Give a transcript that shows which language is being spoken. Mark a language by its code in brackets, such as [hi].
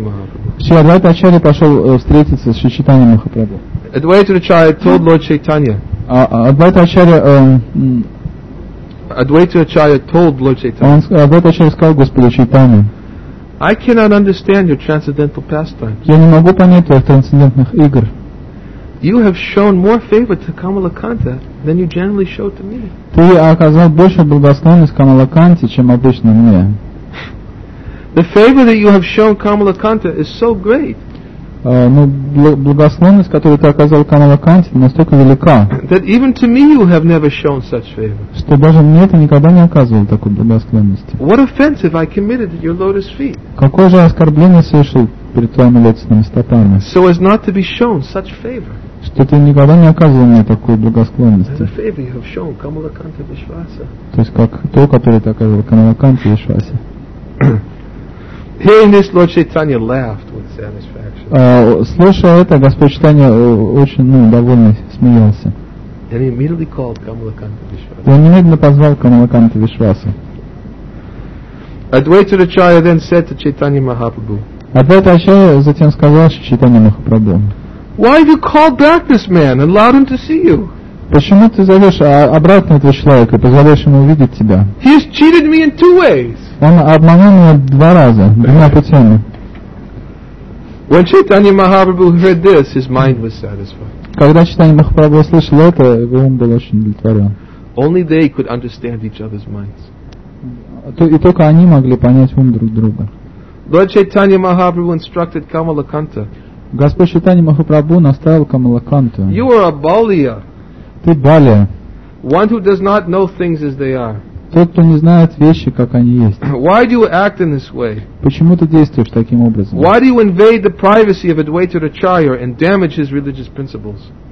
[en] Mahaprabhu. Advaita Acharya told Lord Chaitanya. Advaita Acharya told Lord Chaitanya. I cannot understand your transcendental pastimes. [ru] Я не могу понять твоих трансцендентных игр. [en] You have shown more favor to Kamalakanta than you generally show to me. [ru] Ты оказал больше благосклонности Камалаканте, чем обычно мне. [en] The favor that you have shown Kamalakanta is so great. [ru] Благосклонность, которую ты оказал Камалаканте, настолько велика. [en] That even to me you have never shown such favor. [ru] Что даже мне ты никогда не оказывал такой благосклонности. [en] What offense have I committed at your lotus feet? [ru] Какое же оскорбление совершил перед твоими лотосными стопами? [en] So as not to be shown such favor. [ru] Что ты никогда не оказывал мне такой благосклонности. [en] The favor you have shown Kamalakanta Vishvasa. [ru] То есть как то, которое ты оказывал Камалаканте Вишвасе. [en] Hearing this, Lord Chaitanya laughed with satisfaction. [ru] Слушая это, Господь Чайтанья очень, довольно смеялся. [en] And he immediately called Kamalakanta Vishvasa. [ru] Он немедленно позвал Камалаканта Вишвасу. [en] Advaita Acharya then said to Chaitanya Mahaprabhu. [ru] Advaita Acharya затем сказал Чайтанья Махапрабху. [en] Why have you called back this man and allowed him to see you? [ru] Почему ты зовешь обратно этого человека и позволяешь ему увидеть тебя? [en] He has cheated me in two ways. [ru] Он обманул меня два раза, двумя путями. [en] When Chaitanya Mahaprabhu heard this, his mind was satisfied. [ru] Когда Чайтанья Махапрабху услышал это, он был очень удовлетворен. [en] Only they could understand each other's minds. [ru] И только они могли понять ум друг друга. [en] Lord Chaitanya Mahaprabhu instructed Kamalakanta. [ru] Господь Чайтанья Махапрабху наставил Камалаканту. [en] You are a Balia. [ru] Ты Балия. [en] One who does not know things as they are. [ru] Тот, кто не знает вещи, как они есть. [en] Why do you act in this way? [ru] Почему ты действуешь таким образом? [en] Why do you invade the privacy of Advaita Acharya and damage his religious principles?